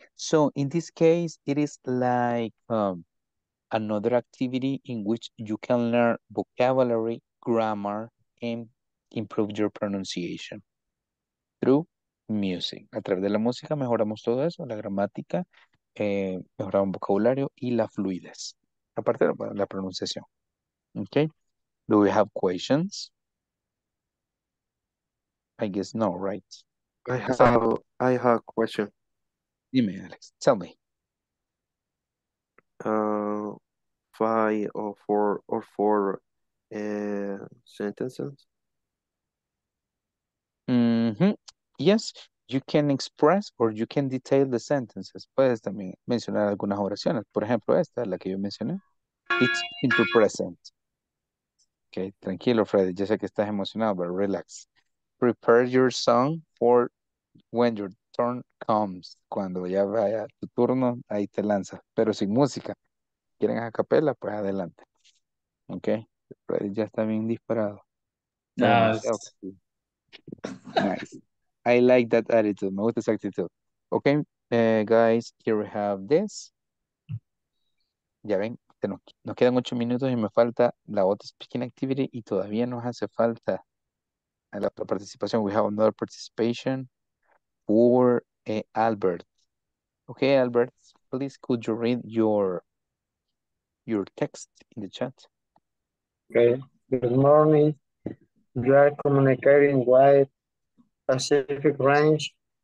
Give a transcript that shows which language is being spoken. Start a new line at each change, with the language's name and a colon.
English: So, in this case, it is like another activity in which you can learn vocabulary, grammar, and improve your pronunciation. True. Music.
Spanish: A través de la música mejoramos todo eso, la gramática, mejoramos vocabulario y la fluidez. Aparte de la pronunciación.
English: Okay. Do we have questions? I guess no, right? I have a question. Dime, Alex. Tell me. Five or four sentences? Yes. You can express or you can detail the sentences.
Spanish: Puedes también mencionar algunas oraciones. Por ejemplo, esta, la que yo mencioné.
English: It's simple present. Okay, tranquilo, Freddy.
Spanish: Ya sé que estás emocionado,
English: but relax. Prepare your song for when your turn comes.
Spanish: Cuando ya vaya tu turno, ahí te lanzas. Pero sin música. ¿Quieren a capela? Pues adelante. Okay. Pero ya está bien disparado.
English: Nice. Nice. I like that attitude.
Spanish: Me gusta esa actitud.
English: Okay, guys, here we have this.
Spanish: Ya ven, nos quedan 8 minutos y me falta la otra speaking activity y todavía nos hace falta la otra participación.
English: We have another participation for Albert. Okay, Albert, please could you read your text in the chat? Okay, good morning. You are communicating with Pacific Range.